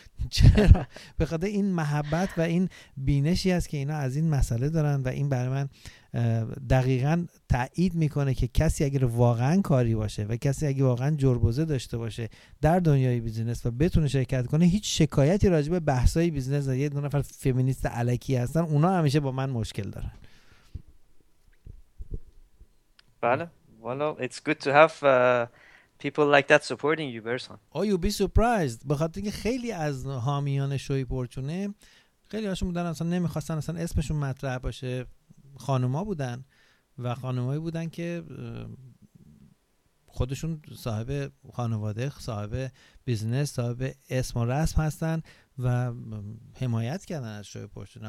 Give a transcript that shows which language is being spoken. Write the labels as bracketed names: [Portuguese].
[Persian] چرا؟ به خاطر این محبت و این بینشی است که اینا از این مسئله دارن و این برای من دقیقاً تأیید میکنه که کسی اگر واقعا کاری باشه و کسی اگر واقعا جربوزه داشته باشه در دنیای بیزینس و بتونه شرکت کنه، هیچ شکایتی راجع به بحثای بیزینس یه دو نفر فمینیست علکی هستن، اونا همیشه با من مشکل دارن. بله، [English] well, it's good to have people like that supporting you, Berson. Oh, you'll be surprised. [Persian] بخاطر اینکه خیلی از حامیان شوی پرچونه، خیلی هاشون بودن اصلا نمیخواستن اصلا اسمشون مطرح باشه، خانوما بودن و خانمایی بودن که خودشون صاحب خانواده، صاحب بیزنس، صاحب اسم و رسم هستن و حمایت کردن از شوی پرچونه.